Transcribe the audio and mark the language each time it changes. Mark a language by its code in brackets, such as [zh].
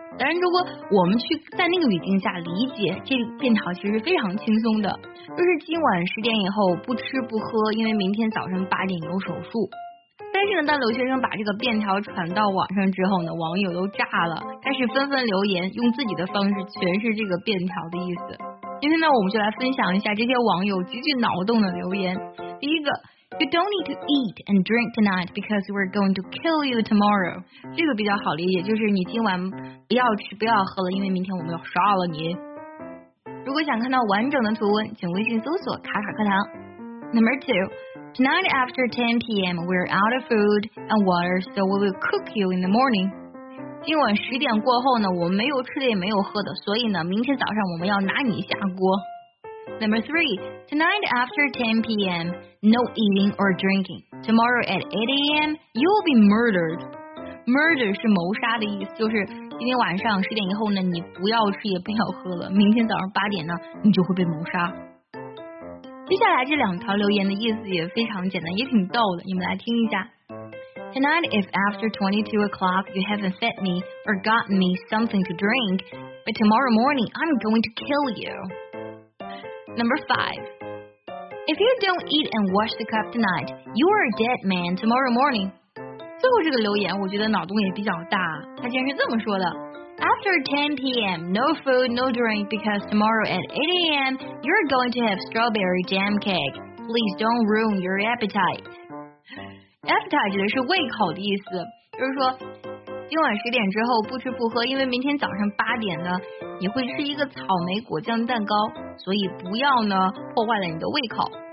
[zh] 当然，如果我们去在那个语境下理解这便条，其实非常轻松的，就是今晚10点以后不吃不喝，因为明天早上8点有手术。但是呢，当留学生把这个便条传到网上之后呢，网友都炸了，开始纷纷留言，用自己的方式诠释这个便条的意思。今天呢，我们就来分享一下这些网友极具脑洞的留言。第一个 [en] ，You don't need to eat and drink tonight because we're going to kill you tomorrow。 [zh] 这个比较好理解，就是你今晚不要吃不要喝了，因为明天我们要杀了你。如果想看到完整的图文，请微信搜索卡卡课堂。 [en] Number 2。 Tonight after 10 p.m. we're out of food and water, so we will cook you in the morning. [zh] 今晚十点过后呢，我们没有吃的也没有喝的，所以呢，明天早上我们要拿你下锅。 [en] Number 3. Tonight after 10 p.m. no eating or drinking. Tomorrow at 8 a.m. you will be murdered. [zh] Murder 是谋杀的意思，就是今天晚上十点以后呢，你不要吃也不要喝了，明天早上8点呢，你就会被谋杀。接下来这两条留言的意思也非常简单，也挺逗的，你们来听一下。 [en] Tonight if after 22 o'clock you haven't fed me or gotten me something to drink, but tomorrow morning I'm going to kill you. Number 5. If you don't eat and wash the cup tonight, you are a dead man tomorrow morning. [zh] 最后这个留言我觉得脑洞也比较大，他竟然是这么说的。 [en] After 10 p.m., no food, no drink, because tomorrow at 8 a.m., you're going to have strawberry jam cake. Please don't ruin your appetite. [zh] Appetite 指的是胃口的意思，就是说，今晚十点之后不吃不喝，因为明天早上8点呢，你会吃一个草莓果酱蛋糕，所以不要呢破坏了你的胃口。